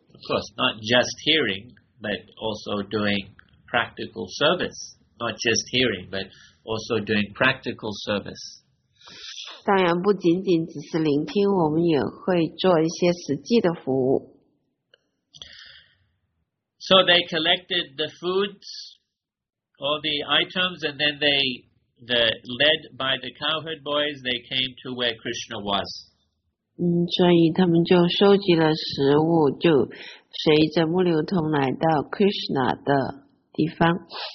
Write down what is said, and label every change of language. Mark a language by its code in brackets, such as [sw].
[en] Of course, not just hearing, but also doing practical service. Not just hearing, but also doing practical service. [zh] 当然不仅仅只是聆听，我们也会做一些实际的服务。 [en] So they collected the foods, all the items, and then they... led by the cowherd boys, they came to where Krishna was. [zh] 所以他们就收集了食物，就随着牧牛童来到 Krishna 的地方。